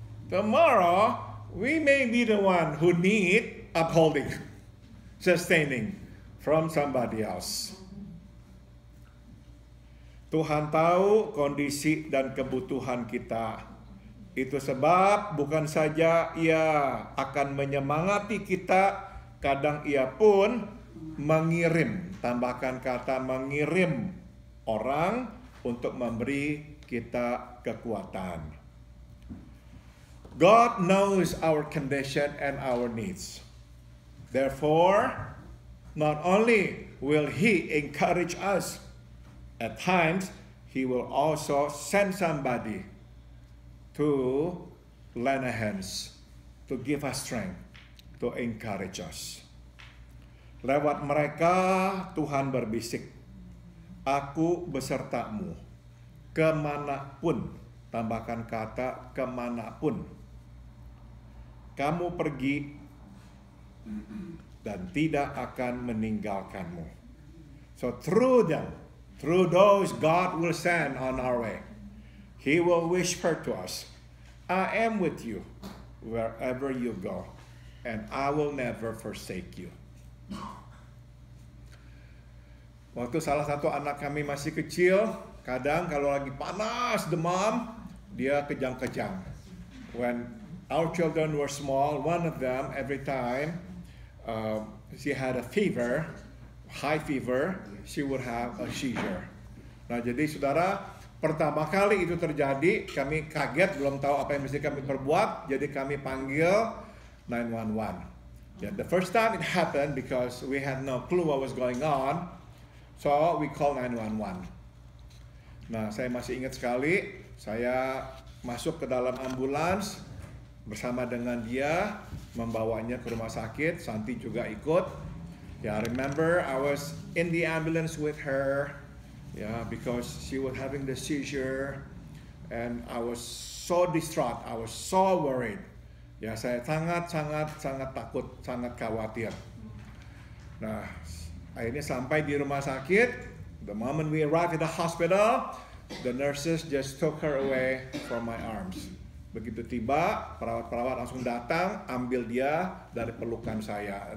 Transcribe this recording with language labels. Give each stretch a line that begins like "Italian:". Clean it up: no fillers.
English: Tomorrow, we may be the one who need upholding, sustaining. From somebody else.
Indonesian: Tuhan tahu kondisi dan kebutuhan kita. Itu sebab bukan saja ia akan menyemangati kita, kadang ia pun mengirim, tambahkan kata mengirim, orang untuk memberi kita kekuatan.
English: God knows our condition and our needs. Therefore, not only will he encourage us, at times he will also send somebody to lend a hand, to give us strength, to encourage us.
Indonesian: Lewat mereka Tuhan berbisik, aku besertamu kemanapun, tambahkan kata kemanapun, kamu pergi dan tidak akan meninggalkanmu.
English: So through them, through those God will send on our way. He will whisper to us, I am with you wherever you go, and I will never forsake you.
Indonesian: Waktu salah satu anak kami masih kecil, kadang kalau lagi panas, demam, dia kejang-kejang.
English: When our children were small, one of them every time, she had a fever, high fever, she would have a seizure.
Indonesian: Nah, jadi saudara, pertama kali itu terjadi, kami kaget, belum tahu apa yang mesti kami perbuat, jadi kami panggil 911.
English: Yeah, the first time it happened because we had no clue what was going on, so we call 911.
Indonesian: Nah, saya masih ingat sekali, saya masuk ke dalam ambulans bersama dengan dia, membawanya ke rumah sakit, Santi juga ikut.
English: Yeah, I remember I was in the ambulance with her, yeah, because she was having the seizure, and I was so distraught, I was so worried.
Indonesian: Yeah, saya sangat takut, sangat khawatir. Nah, akhirnya sampai di rumah sakit,
English: the moment we arrived at the hospital, the nurses just took her away from my arms.
Indonesian: Begitu tiba, perawat-perawat langsung datang, ambil dia dari pelukan saya.